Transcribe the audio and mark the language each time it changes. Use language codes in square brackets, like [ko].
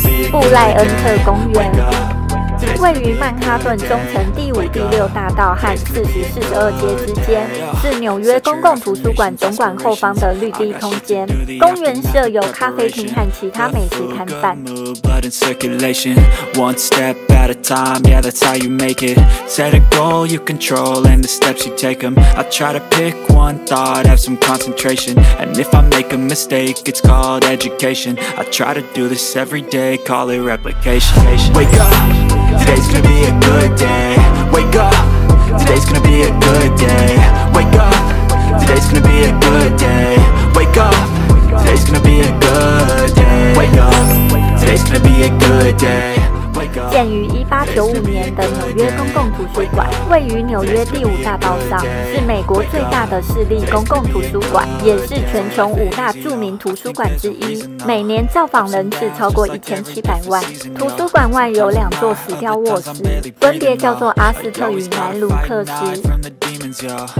[zh] 布赖恩特公园位于曼哈顿中城第5、第6大道和40、42街之间，是纽约公共图书馆总馆后方的绿地空间。公园设有咖啡厅和其他美食摊贩。 [en] At a time, yeah, that's how you make it. Set a goal you control and the steps you take them. I try to pick one thought, have some concentration. And if I make a mistake, it's called education. I try to do this every day, call it replication. Wake up, today's gonna be a good day. Wake up, today's gonna be a good day. Wake up, today's gonna be a good day. Wake up, today's gonna be a good day. Wake up, today's gonna be a good day. [zh] 建于1895年的纽约公共图书馆，位于纽约第5大道上，是美国最大的市立公共图书馆，也是全球5大著名图书馆之一，每年造访人次超过1700万。图书馆外有2座石雕卧室，分别叫做阿斯特与南卢克斯。